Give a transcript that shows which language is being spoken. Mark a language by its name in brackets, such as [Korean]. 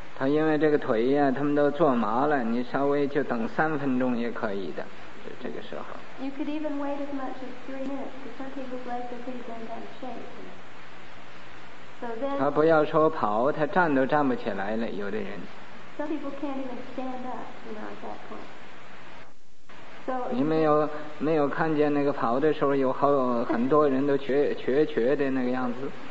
[Chinese] 他因为这个腿呀、他们都坐麻了，你稍微就等三分钟也可以的，就这个时候。 [English] You could even wait as much as 3 minutes, because some people's legs are pretty bent out of shape. So then, [Chinese] 他不要说跑，他站都站不起来了，有的人。 [English] Some people can't even stand up, you know, at that point. So, [Chinese] 你没有看见那个跑的时候有好很多人都瘸的那个样子。